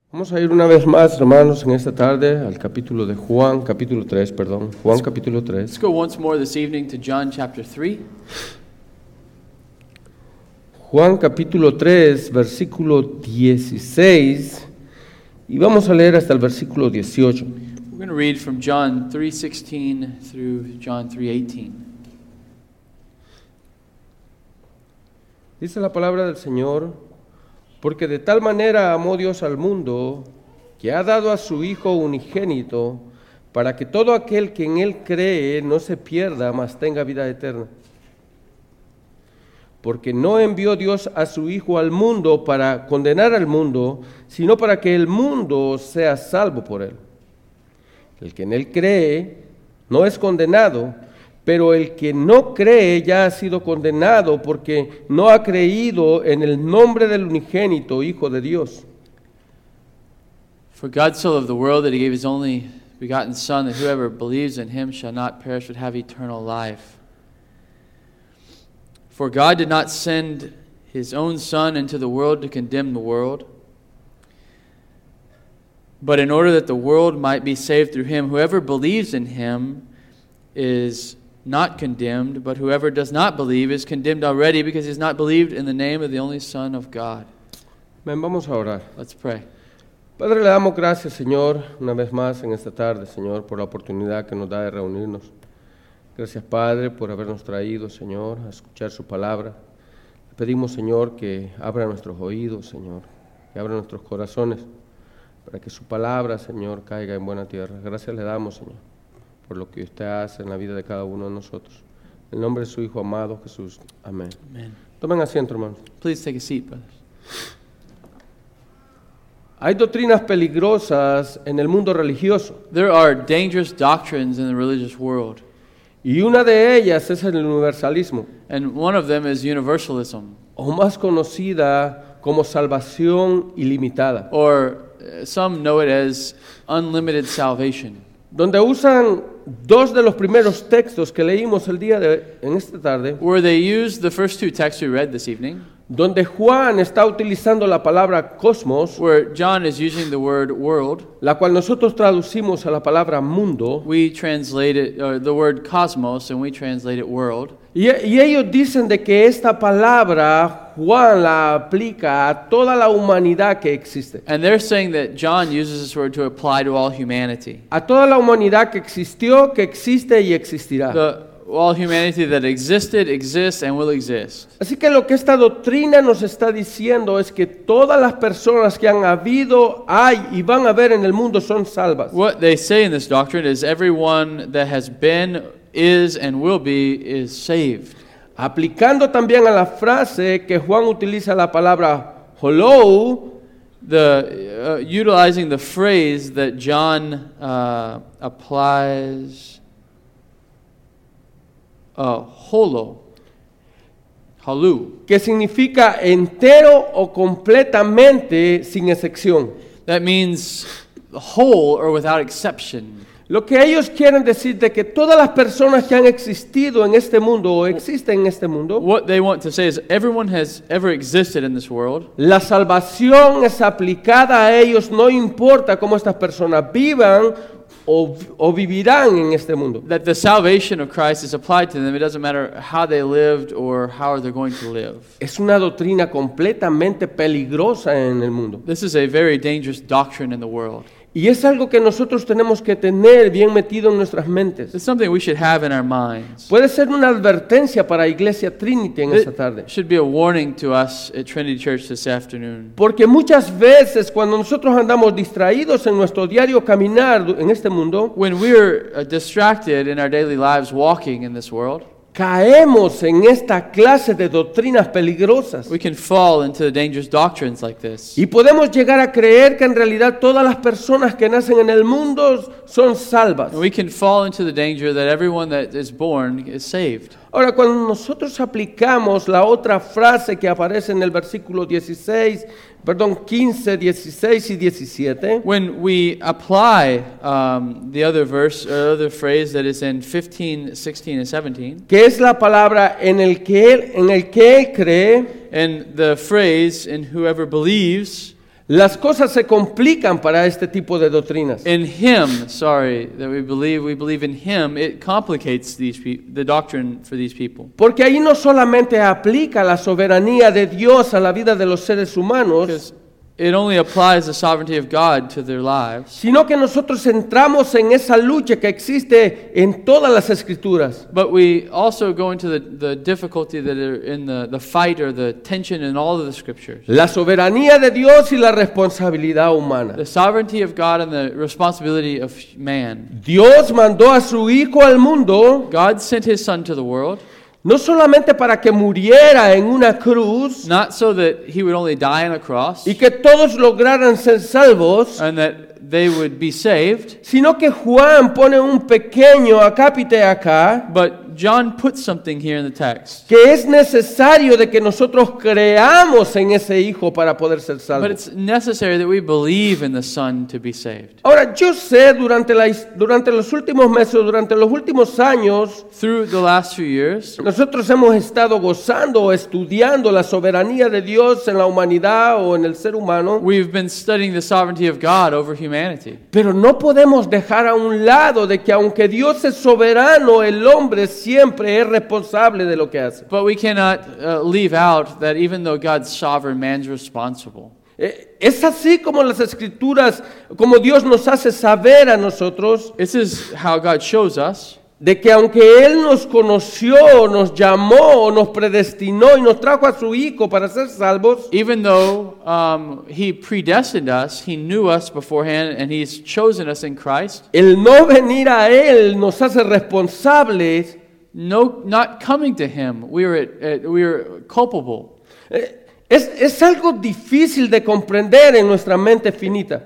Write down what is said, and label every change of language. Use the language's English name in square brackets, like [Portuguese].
[Spanish] Vamos a ir una vez más, hermanos, en esta tarde al capítulo de Juan, capítulo 3, perdón, Juan capítulo 3. [English] Let's go once more this evening to John chapter 3. [Spanish] Juan capítulo 3, versículo 16, y vamos a leer hasta el versículo 18. [English] We're going to read from John 3:16 through John 3:18. [Spanish] Dice la palabra del Señor: porque de tal manera amó Dios al mundo, que ha dado a su Hijo unigénito, para que todo aquel que en Él cree no se pierda, mas tenga vida eterna. Porque no envió Dios a su Hijo al mundo para condenar al mundo, sino para que el mundo sea salvo por Él. El que en Él cree no es condenado, pero el que no cree ya ha sido condenado porque no ha creído en el nombre del unigénito Hijo de Dios. [English] For God so loved the world that he gave his only begotten Son, that whoever believes in him shall not perish but have eternal life. For God did not send his own Son into the world to condemn the world, but in order that the world might be saved through him, whoever believes in him is not condemned, but whoever does not believe is condemned already because he has not believed in the name of the only Son of God. [Spanish] Amen. Vamos a orar. [English] Let's pray. [Spanish] Padre, le damos gracias, Señor, una vez más en esta tarde, Señor, por la oportunidad que nos da de reunirnos. Gracias, Padre, por habernos traído, Señor, a escuchar su palabra. Le pedimos, Señor, que abra nuestros oídos, Señor, que abra nuestros corazones para que su palabra, Señor, caiga en buena tierra. Gracias le damos, Señor, por lo que usted hace en la vida de cada uno de nosotros. En el nombre de su Hijo amado, Jesús. Amén. [English] Amen. [Spanish] Tomen asiento, hermanos. [English] Please take a seat, brothers. [Spanish] Hay doctrinas peligrosas en el mundo religioso. [English] There are dangerous doctrines in the religious world. [Spanish] Y una de ellas es el universalismo. [English] And one of them is universalism. [Spanish] O más conocida como salvación ilimitada. [English] Or some know it as unlimited salvation. [Spanish] Donde usan dos de los primeros textos que leímos el día de en esta tarde. [English] Where they use the first two texts we read this evening. [Spanish] Donde Juan está utilizando la palabra cosmos. [English] Where John is using the word world. [Spanish] La cual nosotros traducimos a la palabra mundo. [English] We translate it, the word cosmos, and we translate it world. [Spanish] Y ellos dicen de que esta palabra Juan la aplica a toda la humanidad que existe. [English] And they're saying that John uses this word to apply to all humanity. [Spanish] A toda la humanidad que existió, que existe y existirá. [English] All humanity that existed, exists, and will exist. [Spanish] Así que lo que esta doctrina nos está diciendo es que todas las personas que han habido, hay y van a haber en el mundo son salvas. [English] What they say in this doctrine is everyone that has been, is, and will be, is saved. [Spanish] Aplicando también a la frase que Juan utiliza la palabra hello, [English] utilizing the phrase that John applies. Holo, halu, [Spanish] que significa entero o completamente sin excepción. [English] That means whole or without exception. [Spanish] Lo que ellos quieren decir de que todas las personas que han existido en este mundo o existen en este mundo. [English] What they want to say is everyone has ever existed in this world. [Spanish] La salvación es aplicada a ellos, no importa cómo estas personas vivan. O vivirán en este mundo. [English] That the salvation of Christ is applied to them. It doesn't matter how they lived or how they're going to live. [Spanish] Es una doctrina completamente peligrosa en el mundo. [English] This is a very dangerous doctrine in the world. [Spanish] Y es algo que nosotros tenemos que tener bien metido en nuestras mentes. [English] It's something we should have in our minds. [Spanish] Puede ser una advertencia para Iglesia Trinity en esta tarde. [English] It should be a warning to us at Trinity Church this afternoon. [Spanish] Porque muchas veces cuando nosotros andamos distraídos en nuestro diario caminar en este mundo, [English] when we're distracted in our daily lives walking in this world, [Spanish] caemos en esta clase de doctrinas peligrosas. [English] We can fall into dangerous doctrines like this. [Spanish] Y podemos llegar a creer que en realidad todas las personas que nacen en el mundo son salvas. [English] And we can fall into the danger that everyone that is born is saved. [Spanish] Ahora, cuando nosotros aplicamos la otra frase que aparece en el versículo 16, perdón, 15, 16 y 17. [English] When we apply the other verse, or other phrase that is in 15, 16 and 17. [Spanish] Que es la palabra en el que él cree. [English] And the phrase in whoever believes. [Spanish] Las cosas se complican para este tipo de doctrinas. [English] In him, sorry, that we believe in him, it complicates the doctrine for these people. [Spanish] Porque ahí no solamente aplica la soberanía de Dios a la vida de los seres humanos. [English] It only applies the sovereignty of God to their lives. [Spanish] Sino que nosotros entramos en esa lucha que existe en todas las escrituras. [English] But we also go into the difficulty that are in the fight or the tension in all of the scriptures. [Spanish] La soberanía de Dios y la responsabilidad humana. [English] The sovereignty of God and the responsibility of man. [Spanish] Dios mandó a su hijo al mundo. [English] God sent his son to the world. [Spanish] No solamente para que muriera en una cruz. [English] Not so that he would only die on a cross. [Spanish] Y que todos lograran ser salvos. [English] And that they would be saved. [Spanish] Sino que Juan pone un pequeño acápite acá. [English] But John puts something here in the text. [Spanish] Que es necesario de que nosotros creamos en ese hijo para poder ser salvos. [English] But it's necessary that we believe in the Son to be saved. [Spanish] Ahora, yo sé durante los últimos años, [English] through the last few years, [Spanish] nosotros hemos estado gozando o estudiando la soberanía de Dios en la humanidad o en el ser humano. [English] We've been studying the sovereignty of God over humanity. [Spanish] Pero no podemos dejar a un lado de que aunque Dios es soberano, el hombre siempre es responsable de lo que hace. [English] But we cannot leave out that even though God's sovereign, man's responsible. [Spanish] Es así como las escrituras, como Dios nos hace saber a nosotros. [English] This is how God shows us. [Spanish] De que aunque Él nos conoció, nos llamó, nos predestinó y nos trajo a su Hijo para ser salvos. [English] Even though He predestined us, He knew us beforehand and He's chosen us in Christ. [Spanish] El no venir a Él nos hace responsables. [English] No, not coming to Him, we are culpable. [Spanish] Es algo difícil de comprender en nuestra mente finita.